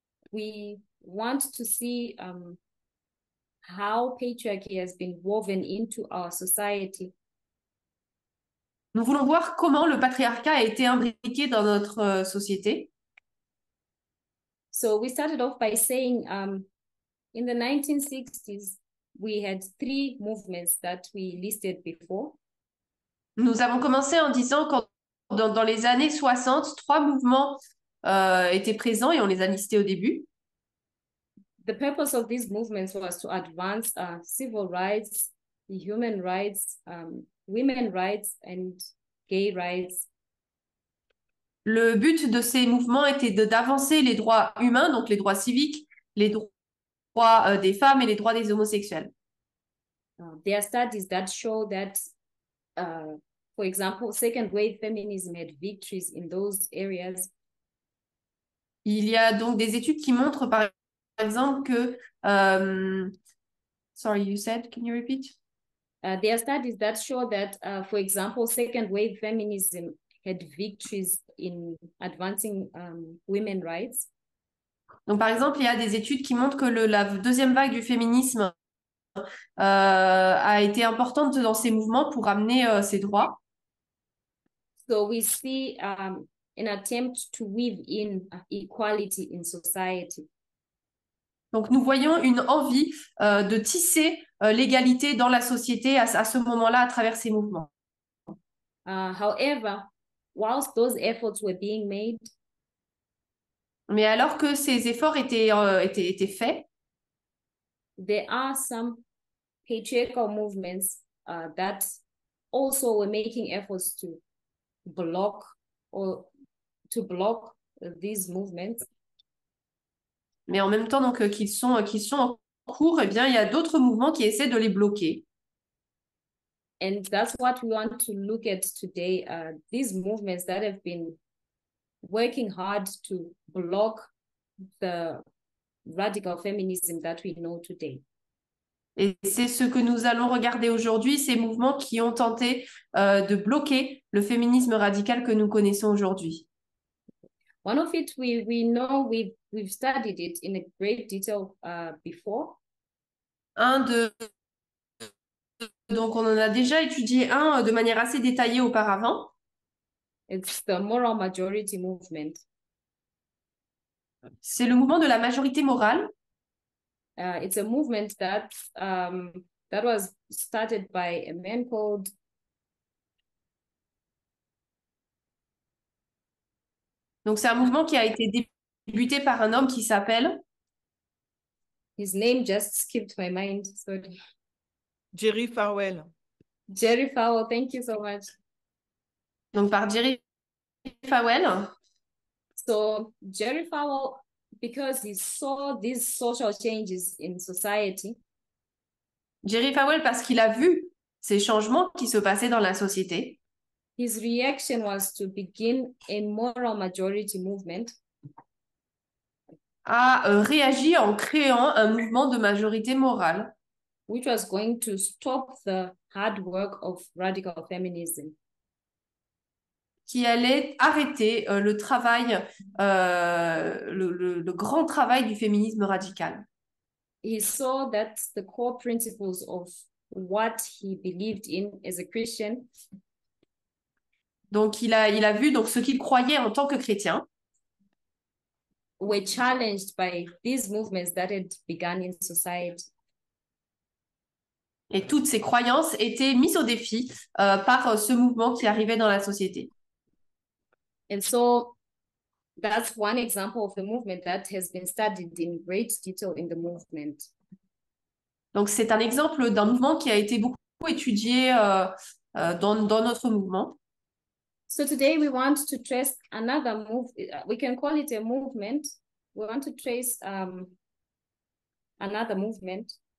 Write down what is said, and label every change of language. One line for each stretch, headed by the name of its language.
English: we want to see how patriarchy has been woven into our society.
French: nous voulons voir comment le patriarcat a été imbriqué dans notre société.
English: So we started off by saying in the 1960s, we had three movements that we listed before.
French: Nous avons commencé en disant quand Dans les années 60, trois mouvements étaient présents et on les a listés au début.
English: The purpose of these movements was to advance civil rights, human rights, women rights, and gay rights.
French: Le but de ces mouvements était d'avancer les droits humains, donc les droits civiques, les droits des femmes et les droits des homosexuels.
English: There are studies that show that, for example, second wave feminism had victories in those areas.
French: Il y a donc des études qui montrent, par exemple, que...
English: Sorry, you said, can you repeat? There are studies that show that, for example, second wave feminism had victories in advancing women's rights.
French: Donc, par exemple, il y a des études qui montrent que la deuxième vague du féminisme a été importante dans ces mouvements pour amener ces droits.
English: So we see an attempt to weave in equality in society.
French: Donc nous voyons une envie de tisser l'égalité dans la société à ce moment-là à travers ces mouvements.
English: However, whilst those efforts were being made,
French: Mais alors que ces efforts étaient faits,
English: there are some patriarchal movements that also we're making efforts to block or to block these movements.
French: Mais en même temps, donc, qui sont en cours, eh bien, il y a d'autres mouvements qui essaient de les bloquer.
English: And that's what we want to look at today. These movements that have been working hard to block the radical feminism that we know today.
French: Et c'est ce que nous allons regarder aujourd'hui, ces mouvements qui ont tenté de bloquer le féminisme radical que nous connaissons aujourd'hui.
English: One of it we know we've studied it in a great detail before.
French: Donc on en a déjà étudié un de manière assez détaillée auparavant.
English: It's the moral majority movement.
French: C'est le mouvement de la majorité morale.
English: It's a movement that that was started by a man called
French: Donc c'est un mouvement qui a été débuté par un homme qui s'appelle
English: His name just skipped my mind, sorry. Jerry Falwell. Jerry Falwell, thank you so much.
French: Donc par Jerry Falwell.
English: So Jerry Falwell, because he saw these social changes in society.
French: Jerry Falwell, parce qu'il a vu ces changements qui se passaient dans la société.
English: His reaction was to begin a moral majority movement.
French: A réagi en créant un mouvement de majorité morale.
English: Which was going to stop the hard work of radical feminism.
French: Qui allait arrêter le travail, le grand travail du féminisme radical.
English: He saw that the core principles of what he believed in as a Christian.
French: Donc il a vu donc ce qu'il croyait en tant que chrétien.
English: Were challenged by these movements that had begun in society.
French: Et toutes ces croyances étaient mises au défi par ce mouvement qui arrivait dans la société.
English: And so that's one example of a movement that has been studied in great detail in the movement.
French: Donc c'est un exemple d'un mouvement qui a été beaucoup étudié dans notre mouvement.
English: So today we want to trace another move. We can call it a movement. We want to trace another movement.